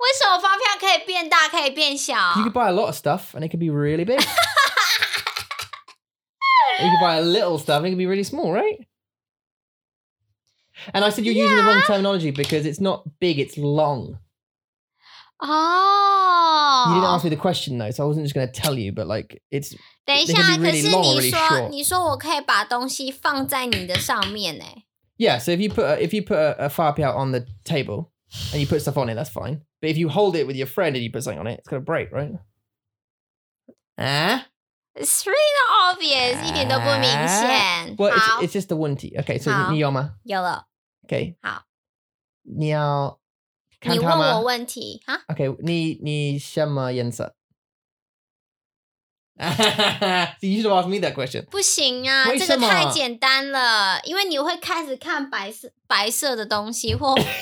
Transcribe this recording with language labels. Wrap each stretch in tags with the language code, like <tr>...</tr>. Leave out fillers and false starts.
<zh>为什么发票可以变大, 可以变小?</zh> <en>You could buy a lot of stuff, and it could be really big. You could buy a little stuff, and it could be really small, right? And I said you're using the wrong terminology because it's not big, it's long. Oh. You didn't ask me the question though, so I wasn't just going to tell you, but like, it's...</en> <zh>等一下,</zh> <en>it really</en> <zh>可是你说我可以把东西放在你的上面耶。</zh> <en>Yeah, so if you put a farpiao on the table and you put stuff on it, that's fine. But if you hold it with your friend and you put something on it, it's going to break, right? It's really obvious.</en> <zh>一点都不明显。</zh> <en>Well, it's just the 问题.Okay, so</en> <zh>你有吗? 有了。</zh> <en>Okay.</en> <zh>好。你要看它吗? 你问我问题, huh? Okay, 你什么颜色?</zh> <en>So you should have asked me that question.</en> <zh>不行啊, 这个太简单了, 因为你会开始看白色的东西, 或...</zh>